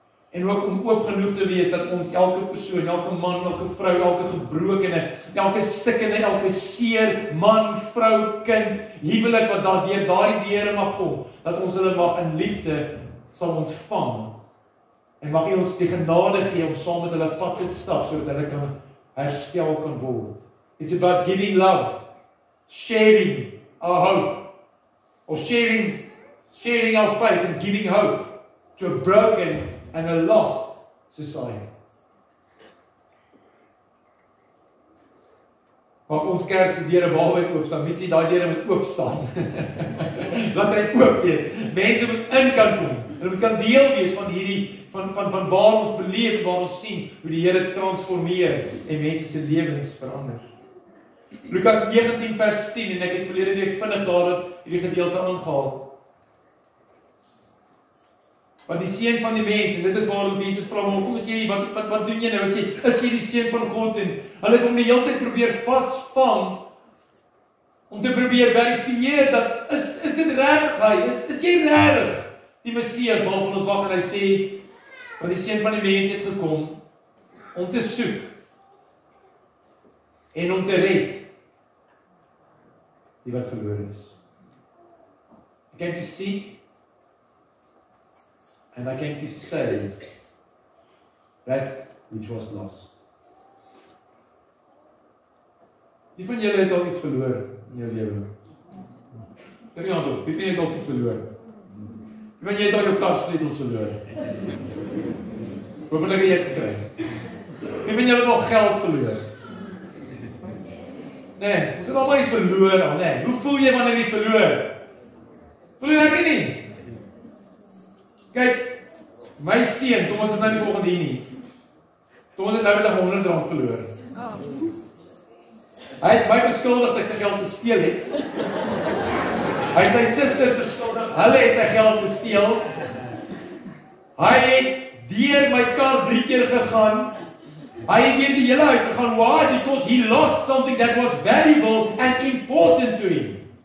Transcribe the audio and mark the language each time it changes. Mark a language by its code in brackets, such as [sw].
[af] En ook om oop genoeg te wees, dat ons elke persoon, elke man, elke vrou, elke gebrokene, elke stikkende, elke seer, man, vrou, kind, huwelik wat daar deur daardie deure mag kom, dat ons hulle mag in liefde sal ontvang. En mag hy ons die genade gee om saam met hulle pad te stap sodat hulle kan herstel kan word. [en] It's about giving love, sharing our hope, or sharing our faith and giving hope to a broken and a lost society. [af] Maak ons kerk se deure waarwyd oop, dan moet jy daai deure met oop staan. Laat hy oop wees. Mense moet in kan kom. dat dit kan deel wees van hierdie van waar ons beleef, waar ons sien hoe die Here transformeer en mense se lewens verander. Lukas 19 vers 10 en ek het verlede week vinnig daarop hierdie gedeelte aangehaal. Want die seun van die mens, en dit is waarom Jesus vra hom, kom sê jy wat doen jy nou? Sê, is jy die seun van God? En hulle het hom die hele tyd probeer vasvang om te probeer verifieer dat is dit regtig hy? Is jy regtig die Messias waarvan ons wag en hy sê want die seun van die mens het gekom om te soek en om te red die wat verlore is. [en] I came to seek and I came to save that which was lost. [af] Wie van julle het al iets verloor in jou lewe? Kom nie aan toe, wie van julle het al iets verloor? Wie van julle het al jou kassleutels verloor? Hoopelik jy het gekry. Wie van julle het al geld verloor? Nee, ons het allemaal iets verloor al, nee. Hoe voel jy wanneer jy iets verloor? Voel jy lekker nie? Kijk, my seun, Thomas is nou nie volgende nie. Thomas het nou met R100 verloor. Hy het my beskuldig dat ek sy geld gesteel het. Hy het sy sisters beskuldig, hulle het sy geld gesteel. Hy het deur my kar 3 keer gegaan. Hy het deur die hele huis gegaan. [en] Why? Because he lost something that was valuable and important to him.